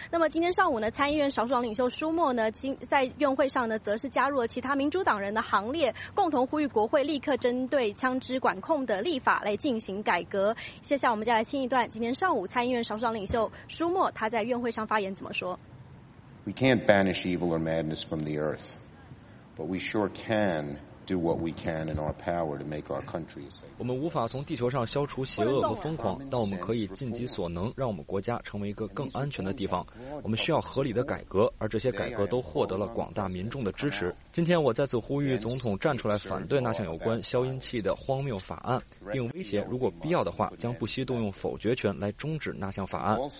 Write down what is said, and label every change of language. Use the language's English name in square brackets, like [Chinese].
[Chinese] 那么今天上午呢，参议院少数党领袖舒默呢，在院会上呢，则是加入了其他民主党人的行列，共同呼吁国会立刻针对枪支管控的立法来进行改革。接下来我们再来听一段今天上午参议院少数党领袖舒默他在院会上发言怎么说。 [English] We can't banish evil or madness from the earth, but we sure can do what we can in our power to make our country safe. [Chinese] 我们无法从地球上消除邪恶和疯狂，但我们可以尽己所能让我们国家成为一个更安全的地方。我们需要合理的改革，而这些改革都获得了广大民众的支持。今天我再次呼吁总统站出来反对那项有关消音器的荒谬法案，并威胁如果必要的话将不惜动用否决权来终止那项法案。